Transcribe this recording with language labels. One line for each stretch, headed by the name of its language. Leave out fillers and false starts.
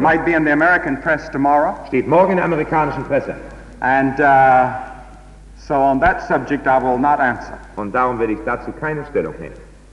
English: Might be in the American press tomorrow.
German: Steht morgen in der amerikanischen Presse.
English: And so on that subject I will not answer.
German: Und darum werde ich dazu keine Stellung nehmen.